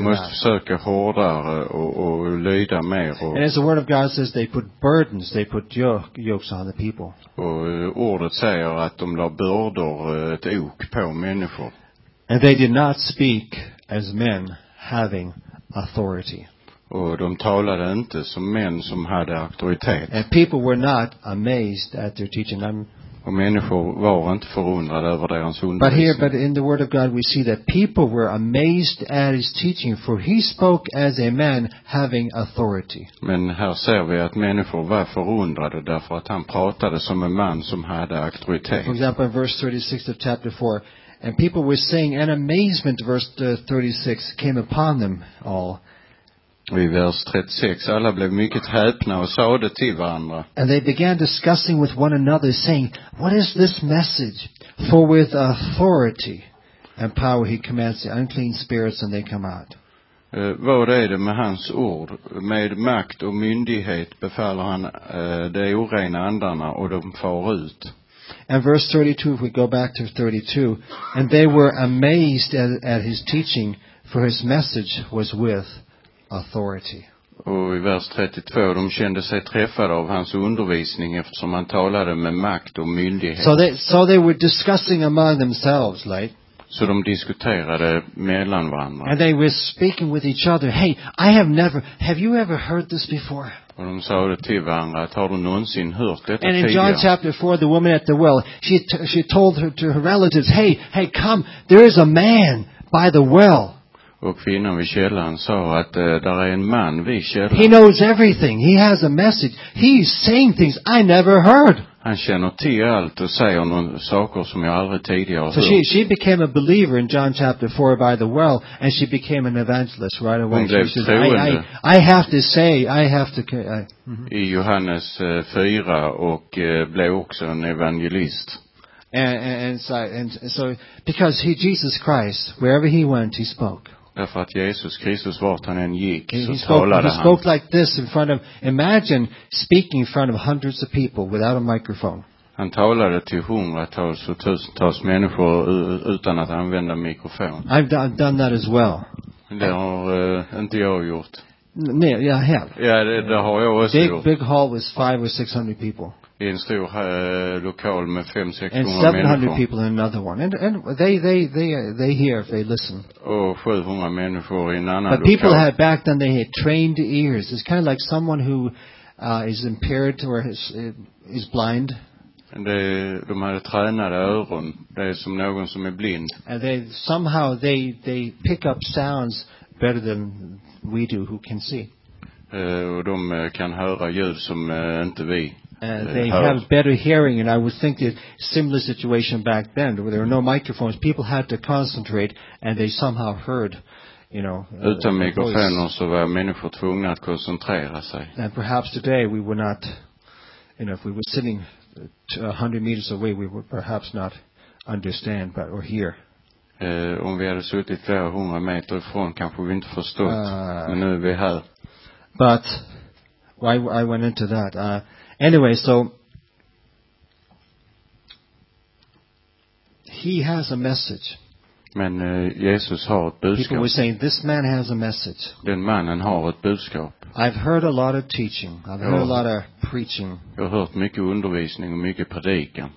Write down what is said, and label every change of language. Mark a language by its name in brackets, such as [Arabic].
[Swedish] Vi måste försöka hårdare och lyda mer. [English] And as the Word of God says, they put burdens, they put yokes on the people. [Swedish] Och ordet säger att de la bördor, ett ok på människor. [English] And they did not speak as men having authority. [Swedish] Och de talade inte som män som hade auktoritet. [English] And people were not amazed at their teaching. [Swedish] Och människor var inte förundrade över deras undervisning. [English] But here, but in the Word of God, we see that people were amazed at his teaching, for he spoke as a man having authority. [Swedish] Men här ser vi att människor var förundrade därför att han pratade som en man som hade auktoritet. [English] For example, in verse 36 of chapter 4. And people were saying, an amazement, verse 36, came upon them all. [Swedish] I vers 36, alla blev mycket häpna och sade till varandra. [English] And they began discussing with one another, saying, what is this message? For with authority and power he commands the unclean spirits and they come out. [Swedish] Vad är det med hans ord? Med makt och myndighet befaller han de orena andarna och de far ut. [English] And verse 32, if we go back to 32, and they were amazed at his teaching, for his message was with authority. [Swedish] Och i vers 32, de kände sig träffade av hans undervisning, eftersom han talade med makt och myndighet. [English] So they were discussing among themselves, right? [Swedish] Så de diskuterade mellan varandra. [English] And they were speaking with each other, hey, I have never, have you ever heard this before? [Swedish] Och de sa det till varandra, har du någonsin hört detta tidigare? [English] And in John chapter 4, the woman at the well, she told her to her relatives, hey, come, there is a man by the well. [Swedish] Och kvinnan vid källan sa att där är en man vid källan. [English] He knows everything. He has a message. He's saying things I never heard. [Swedish] Han känner till allt och säger några saker som jag aldrig tidigare hört. [English] So she became a believer in John chapter 4 by the well, and she became an evangelist right away. [Swedish] Hon blev troende. [English] I have to say, [Swedish] I Johannes 4 och blev också en evangelist. [English] And so because he Jesus Christ, wherever he went, he spoke. [Swedish] Därför att Jesus Kristus vart han än gick, så talade han. [English] He spoke like this in front of, imagine speaking in front of hundreds of people without a microphone. [Swedish] Han talade till hundratals och tusentals människor utan att använda mikrofon. [English] I've done that as well. [Swedish] Det har inte jag gjort. Nej, jag har. Ja, det har jag också gjort. [English] Big hall was 500 or 600 people. [Swedish] I en stor lokal med 500-600 människor. [English] And 700 people in another one. And they hear if they listen. [Swedish] Och 700 människor i en annan lokal. [English] But people had back then, they had trained ears. It's kind of like someone who is impaired or is blind. [Swedish] De hade tränade öron. Det är som någon som är blind. [English] And they somehow they pick up sounds better than we do who can see. [Swedish] Och de kan höra ljud som inte vi. [English] They have better hearing, and I would think that similar situation back then, where there were no microphones, people had to concentrate, and they somehow heard, you know. [Swedish] Utan mikrofoner så var människor tvungna att koncentrera sig. [English] And perhaps today we were not, you know, if we were sitting 100 meters away, we would perhaps not understand, but or hear. [Swedish] Om vi hade suttit 200 meter ifrån, kanske vi inte förstått, men nu är vi här. [English] But why I went into that. Anyway, so he has a message. [Swedish] Men Jesus har ett budskap. [English] People were saying this man has a message. [Swedish] Den mannen har ett budskap. [English] I've heard a lot of teaching. I've heard a lot of preaching. [Swedish] Jag har hört mycket undervisning och mycket predikan.